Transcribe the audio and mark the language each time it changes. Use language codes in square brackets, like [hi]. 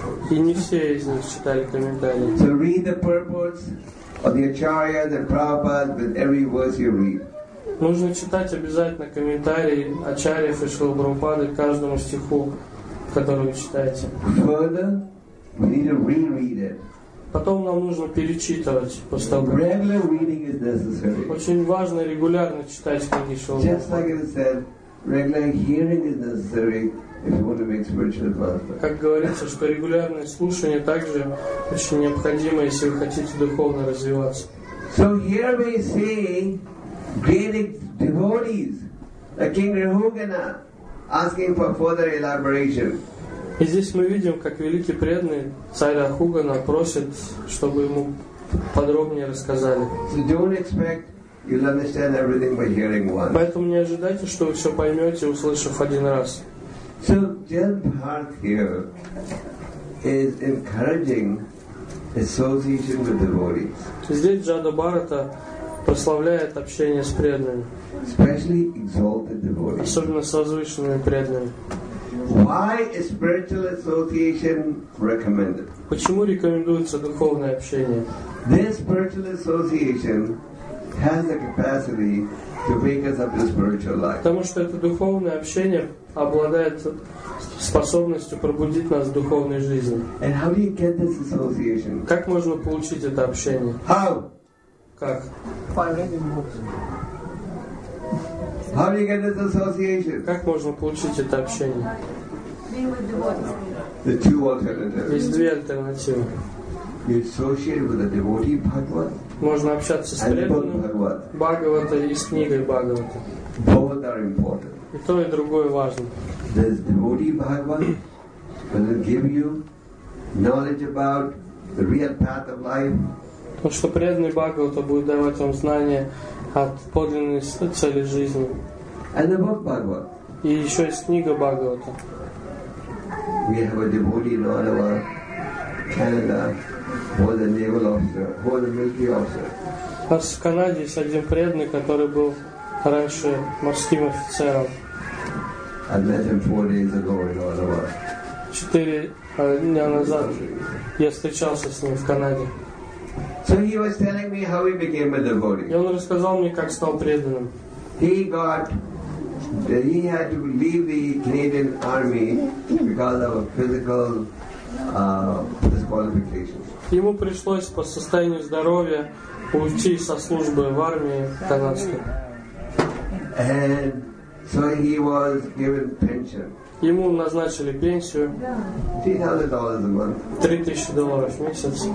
[ru] И не все из них читали комментарии. [en] So read the purports of the Acharya, the Prabhupada, with every verse you read. [ru] Нужно читать обязательно комментарии Ачарьев и Шрилы Прабхупады к каждому стиху, который вы читаете. [en] Further, we need to reread it. [ru] Потом нам нужно перечитывать постановку. [en] Regular reading is necessary. [ru] Очень важно регулярно читать книги Шрилы. [en] Just like it said, regular hearing is necessary if you want to make spiritual advancement. [ru] Как говорится, что регулярное слушание также очень необходимо, если вы хотите духовно развиваться. [en] So here we see great devotees, like King Rahugana, asking for further elaboration. [ru] И здесь мы видим, как великий преданный царя Рахугана просит, чтобы ему подробнее рассказали. [en] So don't expect you'll understand everything by hearing once. [ru] Поэтому не ожидайте, что вы все поймете, услышав один раз. [en] So Jan Bharat here is encouraging association with devotees. [ru] Здесь Джада Бхарата прославляет общение с преданными. [en] Especially exalted devotees. [ru] Особенно с возвышенными преданными. [en] Why is spiritual association recommended? [ru] Почему рекомендуется духовное общение? [en] This spiritual association has the capacity to wake us up to spiritual life. [ru] Потому что это духовное общение обладает способностью пробудить нас в духовной жизни. [en] And how do you get this association? [ru] Как можно получить это общение? [en] How? [ru] Как? [en] By reading books. How do you get this association? [ru] Как можно получить это общение? [en] The two alternatives. [ru] Есть две альтернативы. [en] You associate with a devotee Bhagavat. [ru] Можно общаться с преданным Бхагавата и с книгой Бхагавата. [en] Both are important. [ru] И то, и другое важно. [en] Does devotee Bhagavat will give you knowledge about the real path of life? [ru] То, что преданный Бхагавата будет давать вам знания о подлинной цели жизни. [en] And above Bhagavat. [ru] И еще есть книга Бхагавата. [en] We have a devotee in all of our Canada, who was a naval officer, who was a military officer. [ru] У нас в Канаде есть один преданный, который был раньше морским офицером. [en] I met him 4 days ago in Ottawa. [ru] 4 дня назад я встречался с ним в Канаде. [en] So he was telling me how he became a devotee. [ru] И он рассказал мне, как стал преданным. [en] He had to leave the Canadian Army because of a physical disqualification. [ru] Ему пришлось по состоянию здоровья уйти со службы в армии канадской. [en] And so he was given pension. [ru] Ему назначили пенсию. [en] $3,000 a month. [ru] $3,000 в месяц.